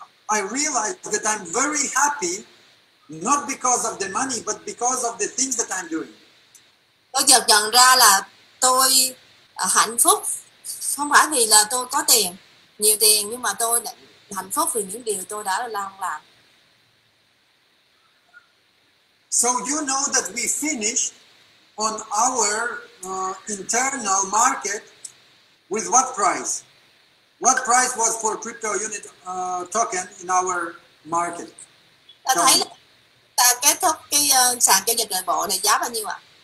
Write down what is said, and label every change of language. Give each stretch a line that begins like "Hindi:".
English: I realized that I'm very happy, not because of the money, but because of the things that I'm doing.
Vietnamese: Tôi chợt nhận ra là tôi hạnh phúc không phải vì là tôi có tiền, nhiều tiền, nhưng mà tôi hạnh phúc vì những điều tôi đã làm.
English: So you know that we finished on our internal market with what price? What price was for crypto unit token in our market?
Vietnamese: Ta thấy là ta kết thúc cái sàn giao dịch nội bộ này giá bao nhiêu ạ?